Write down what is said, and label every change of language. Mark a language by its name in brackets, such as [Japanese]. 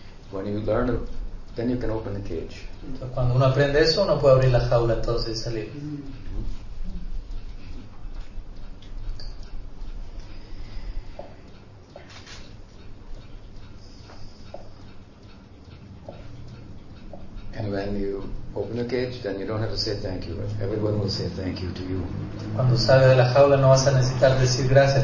[English] When you learn, then you can open the cage. [Spanish] Entonces, cuando uno aprende eso, uno puede abrir la jaula entonces y salir. [English] And when you open the cage, then you don't have to say thank you. Everyone will say thank you to you. [Spanish] Cuando salgas de la jaula, no vas a necesitar decir gracias.